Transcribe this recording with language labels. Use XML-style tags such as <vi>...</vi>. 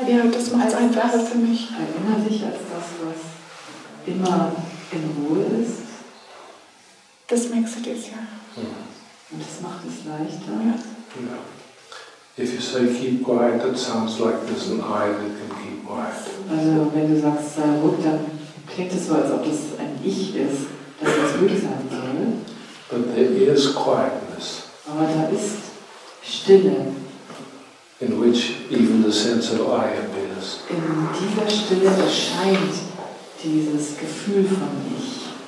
<de>das macht es einfacher für mich. Erinnere dich als das, was immer in Ruhe ist.</de> <en>This makes it easier.</en> <de>Und das macht es leichter.</de> <en>Yeah. If you say keep quiet, that sounds like there's an eye that can keep quiet.</en> <de>Also wenn du sagst sei ruhig, dann klingt es so, als ob das ein Ich ist, das jetzt ruhig sein soll.</de> <en>But there is quietness.</en> <de>Aber da ist Stille.</de> <en>In which even the sense of I appears.</en> <de>In dieser Stille erscheint dieses Gefühl von Ich.</de>